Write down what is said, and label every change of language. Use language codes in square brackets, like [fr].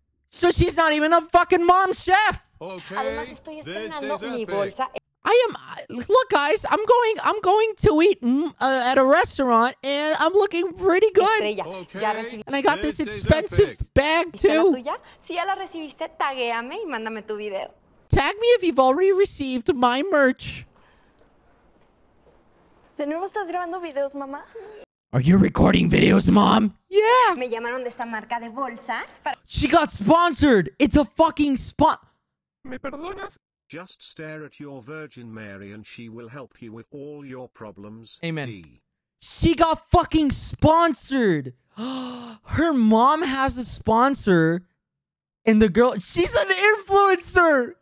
[en] So she's not even a fucking mom chef. Okay, [es] además, estoy estrenando mi bolsa. [en] I am, look guys, I'm going to eat at a restaurant and I'm looking pretty good. Okay. And I got this expensive bag too. [es] Si ya la recibiste, taguéame y mándame tu video. [en] Tag me if you've already received my merch. [es] ¿De nuevo estás grabando videos, mamá? [en] Are you recording videos, mom? Yeah. [es] Me llamaron de esta marca de bolsas para... [en] She got sponsored. It's a fucking spot. [es] ¿Me perdonas? [en] Just stare at your Virgin Mary and she will help you with all your problems. Amen. She got fucking sponsored. Her mom has a sponsor. And the girl, she's an influencer.